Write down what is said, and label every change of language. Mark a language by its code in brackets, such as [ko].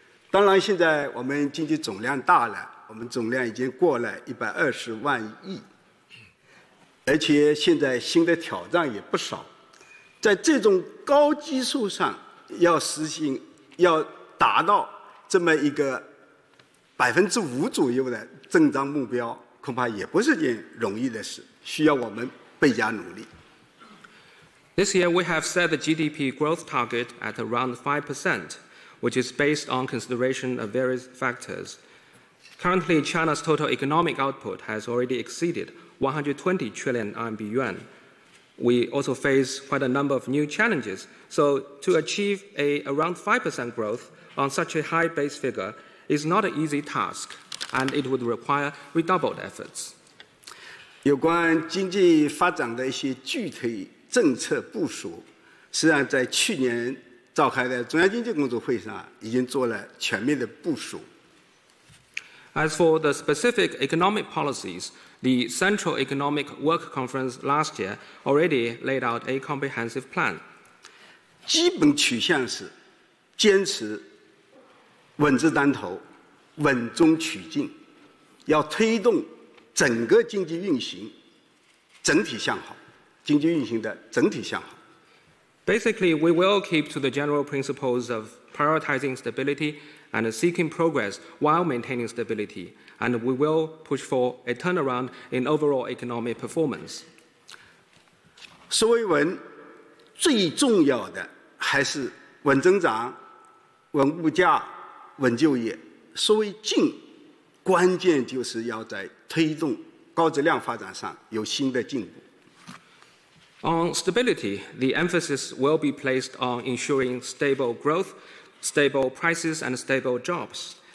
[zh] 当然，现在我们经济总量大了，我们总量已经过了120万亿，而且现在新的挑战也不少。在这种高基数上，要实行要。达到这么一个 5%左右的增长目标，恐怕也不是件容易的事，需要我们倍加努力。 [en] This year we have set the GDP growth target at around 5%, which is based on consideration of various factors. Currently, China's total economic output has already exceeded 120 trillion RMB yuan. We also face quite a number of new challenges. So to achieve around 5% growth on such a high base figure is not an easy task, and it would require redoubled efforts. [zh] 有关经济发展的一些具体政策部署，实际上在去年召开的中央经济工作会上已经做了全面的部署。 [en] As for the specific economic policies, the Central Economic Work Conference last year already laid out a comprehensive plan. [zh] 基本取向是坚持稳字当头、稳中取进，要推动整个经济运行整体向好。经济运行的整体向好。 [en] Basically, we will keep to the general principles of prioritizing stability and seeking progress while maintaining stability, and we will push for a turnaround in overall economic performance. [zh] 说回稳，最重要的还是稳增长、稳物价、稳就业。说回进，关键就是要在推动高质量发展上有新的进步。 [en] On stability, the emphasis will be placed on ensuring stable growth, stable prices, and stable jobs.